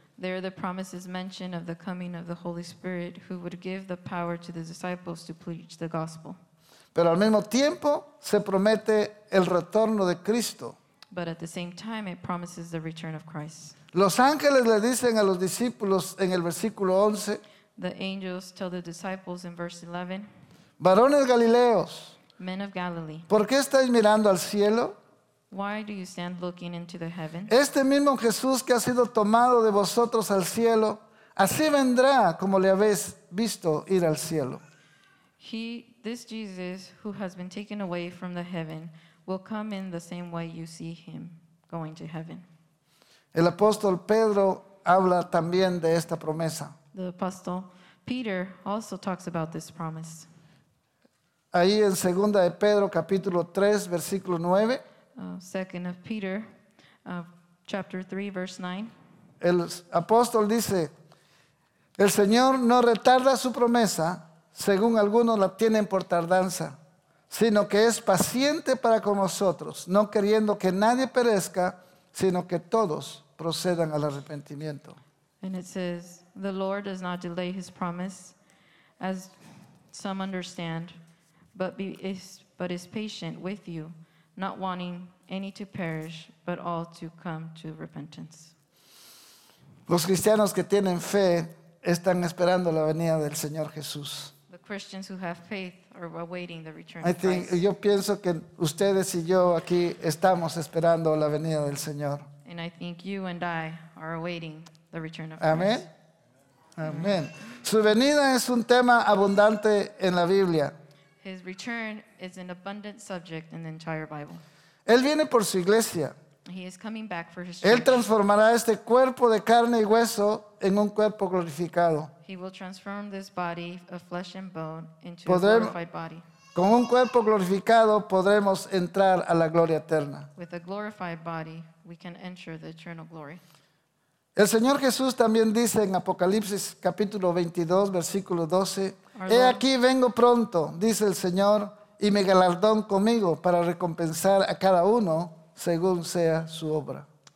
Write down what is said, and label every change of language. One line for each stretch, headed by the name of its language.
English: There the promise is mentioned of the coming of the Holy Spirit, who would give the power to the disciples to preach the gospel.
Spanish: Pero al mismo tiempo se promete el retorno de Cristo.
English: But at the same time it promises the return of Christ.
Spanish: Los ángeles le dicen a los discípulos en el versículo 11.
English: The angels tell the disciples in verse 11.
Spanish: Varones galileos.
English: Men of Galilee.
Spanish: ¿Por qué estáis mirando al cielo?
English: Why do you stand looking into the heavens?
Spanish: Este mismo Jesús que ha sido tomado de vosotros al cielo, así vendrá como le habéis visto ir al cielo.
English: This Jesus who has been taken away from the heaven will come in the same way you see him going to heaven.
Spanish: El apóstol Pedro habla también de esta promesa.
English: The apostle Peter also talks about this promise.
Spanish: Ahí en 2 de Pedro capítulo 3 versículo 9.
English: Second of Peter, chapter 3, verse 9.
Spanish: El apóstol dice, el Señor no retarda su promesa, según algunos la tienen por tardanza, sino que es paciente para con nosotros, no queriendo que nadie perezca, sino que todos procedan al arrepentimiento.
English: And it says, the Lord does not delay his promise, as some understand, but is patient with you, not wanting any to perish, but all to come to repentance.
Spanish: Los cristianos que tienen fe están esperando la venida del Señor Jesús.
English: The Christians who have faith are awaiting the return of Christ.
Spanish: Yo pienso que ustedes y yo aquí estamos esperando la venida del Señor.
English: And I think you and I are awaiting the return of Christ. Amén. Amén.
Spanish: Su venida es un tema abundante en la Biblia.
English: His return is an abundant subject in the entire Bible.
Spanish: Él viene por su iglesia.
English: He is coming back for his church.
Spanish: Él transformará este cuerpo de carne y hueso en un cuerpo glorificado.
English: He will transform this body of flesh and bone into a glorified body.
Spanish: Con un cuerpo glorificado podremos entrar a la gloria eterna.
English: With a glorified body, we can enter the eternal glory.
Spanish: El Señor Jesús también dice en Apocalipsis capítulo 22, versículo 12, He aquí vengo pronto, dice el Señor, y mi galardón conmigo para recompensar a cada uno según sea su obra.